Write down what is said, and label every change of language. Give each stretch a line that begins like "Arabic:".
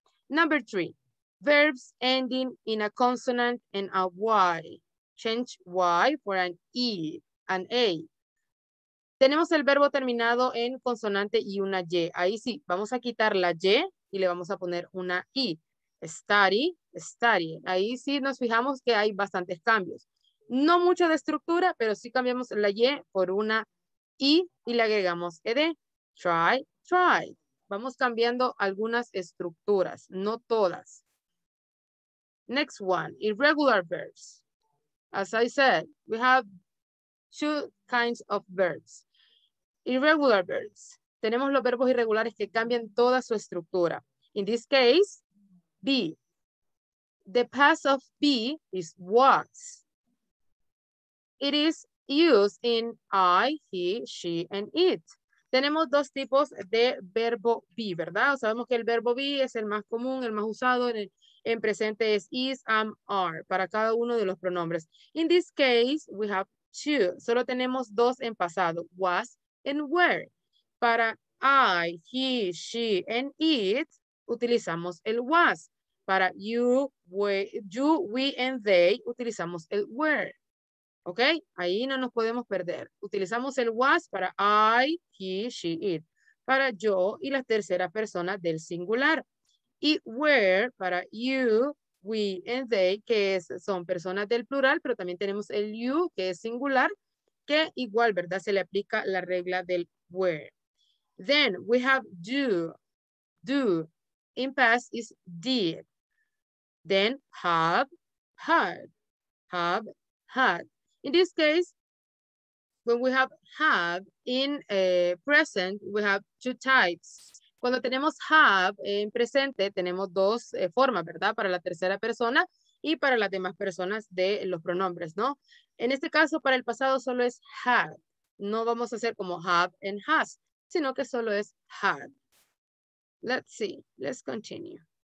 English: Number three, verbs ending in a consonant and a Y. Change Y for an E, an A.
Spanish: Tenemos el verbo terminado en consonante y una Y. Ahí sí, vamos a quitar la Y y le vamos a poner una I. Study, study. Ahí sí nos fijamos que hay bastantes cambios. No mucho de estructura, pero sí cambiamos la Y por una I y le agregamos ED. Try, try. Vamos cambiando algunas estructuras, no todas.
English: Next one, irregular verbs. As I said, we have two kinds of verbs. Irregular verbs.
Spanish: Tenemos los verbos irregulares que cambian toda su estructura.
English: In this case, be. The past of be is was. It is used in I, he, she, and it.
Spanish: Tenemos dos tipos de verbo be, ¿verdad? Sabemos que el verbo be es el más común, el más usado en presente es is, am, are, para cada uno de los pronombres.
English: In this case, we have two.
Spanish: Solo tenemos dos en pasado, was and were. Para I, he, she, and it, utilizamos el was. Para you, we, and they, utilizamos el were. ¿Ok? Ahí no nos podemos perder. Utilizamos el was para I, he, she, it. Para yo y la tercera persona del singular. Y were para you, we, and they, que son personas del plural, pero también tenemos el you, que es singular, que igual, ¿verdad? Se le aplica la regla del were.
English: Then we have do. Do in past is did. Then have, had. Have, had. In this case, when we have in present, we have two types.
Spanish: Cuando tenemos have en presente, tenemos dos formas, ¿verdad? Para la tercera persona y para las demás personas de los pronombres, ¿no? En este caso, para el pasado solo es had. No vamos a hacer como have and has, sino que solo es had.
English: Let's see. Let's continue.